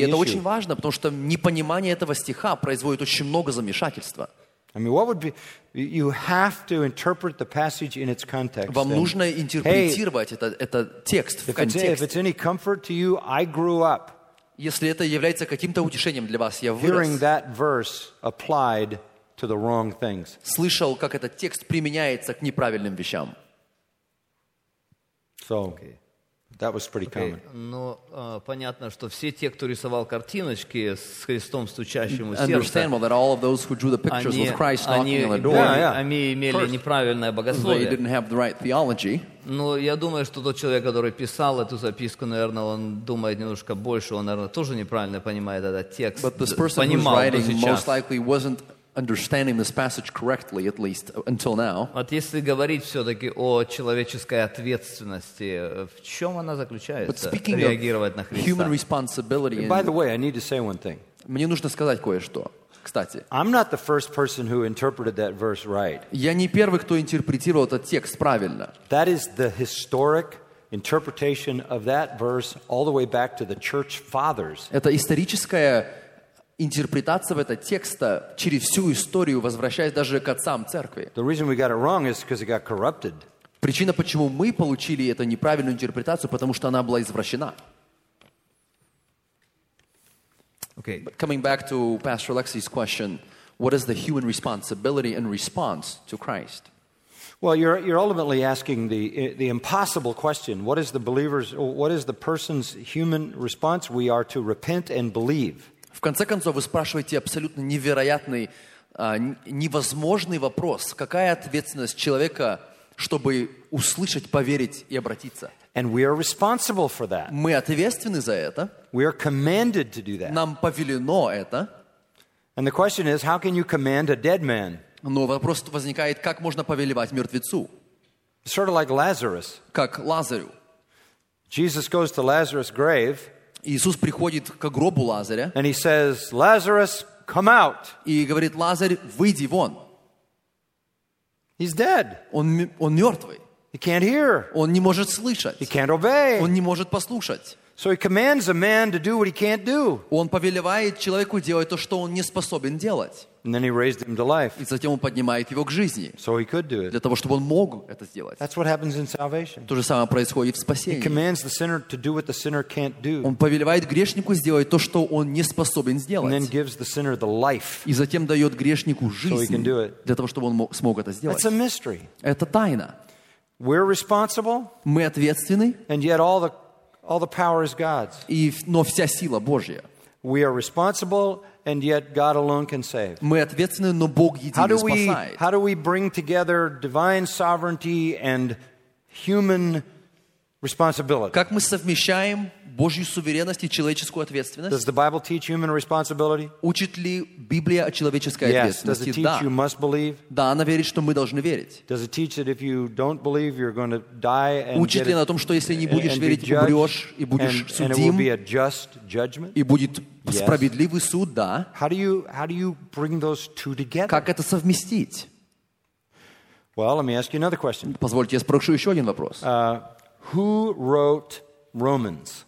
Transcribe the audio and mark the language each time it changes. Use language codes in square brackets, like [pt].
[ru] И это очень важно, потому что непонимание этого стиха производит очень много замешательства. [en] I mean, what would be? You have to interpret the passage in its context. [ru] Вам нужно интерпретировать этот текст в контексте. [en] If it's any comfort to you, I grew up. [ru] Если это является каким-то утешением для вас, я вырос. [en] Hearing that verse applied to the wrong things. [ru] Слышал, как этот текст применяется к неправильным вещам. [en] So, okay. That was pretty okay. common. [ru] Но понятно, что все те, кто рисовал картиночки с Христом стучащим у сердца, [en] understandable that all of those who drew the pictures with Christ knocking on the door, [ru] они имели неправильное богословие. [en] They didn't have the right theology. [ru] Но я думаю, что тот человек, который писал эту записку, наверное, он думает немножко больше, он, наверное, тоже неправильно понимает этот текст. [en] But this person who's writing most likely wasn't understanding this passage correctly, at least until now. [ru] Вот если говорить все-таки о человеческой ответственности, в чем она заключается? Реагировать на Христа. [en] Human responsibility. By the way, I need to say one thing. [ru] Мне нужно сказать кое-что. Кстати. [en] I'm not the first person who interpreted that verse right. [ru] Я не первый, кто интерпретировал этот текст правильно. [en] That is the historic interpretation of that verse all the way back to the church fathers. [ru] Это историческая интерпретация в этот текст через всю историю, возвращаясь даже к отцам церкви. [en] The reason we got it wrong is because it got corrupted. [ru] Причина, почему мы получили эту неправильную интерпретацию, потому что она была извращена. [en] Okay. But coming back to Pastor Alexei's question, what is the human responsibility and response to Christ? Well, you're ultimately asking the impossible question. What is the believer's, what is the person's human response? We are to repent and believe. [ru] В конце концов, вы спрашиваете абсолютно невероятный, невозможный вопрос. Какая ответственность человека, чтобы услышать, поверить и обратиться? [en] And we are responsible for that. [ru] Мы ответственны за это. [en] We are commanded to do that. [ru] Нам повелено это. [en] And the question is, how can you command a dead man? [ru] Но вопрос возникает, как можно повелевать мертвецу? [en] Sort of like Lazarus. [ru] Как Лазарю. [en] Jesus goes to Lazarus' grave. [ru] Иисус приходит к гробу Лазаря. [en] And he says, Lazarus, come out. [ru] И говорит, Лазарь, выйди вон. [en] He's dead. [ru] Он мертвый. [en] He can't hear. [ru] Он не может слышать. [en] He can't obey. [ru] Он не может послушать. [en] So he commands a man to do what he can't do. [ru] Он повелевает человеку делать то, что он не способен делать. [en] And then he raised him to life. [ru] И затем он поднимает его к жизни. [en] So he could do it. [ru] Для того, чтобы он мог это сделать. [en] That's what happens in salvation. [ru] То же самое происходит в спасении. [en] He commands the sinner to do what the sinner can't do. [ru] Он повелевает грешнику сделать то, что он не способен сделать. [en] And then gives the sinner the life. [ru] И затем дает грешнику жизнь. [en] So he can do it. [ru] Для того, чтобы он смог это сделать. [en] That's a mystery. [ru] Это тайна. [en] We're responsible. [ru] Мы ответственны. [en] And yet all the power is God's. [ru] Но вся сила Божья. [en] We are responsible, and yet God alone can save. [ru] Мы ответственны, но Бог единый спасает. [en] How do we bring together divine sovereignty and human responsibility? [ru] Как мы совмещаем Божью суверенность и человеческую ответственность? [en] Does the Bible teach human responsibility? [ru] Учит ли Библия о человеческой ответственности? [en] Yes. Does it teach you must believe? [ru] Да, она верит, что мы должны верить. [en] Does it teach that if you don't believe, you're going to die and [ru] учит ли на том, что если не будешь верить, умрешь и будешь судим? [en] And it will be a just judgment? [ru] И будет справедливый суд, да. [en] How do you bring those two together? [ru] Как это совместить? [en] Well, let me ask you another question. [ru] Позвольте, я спрошу еще один вопрос. [en] Who wrote Romans?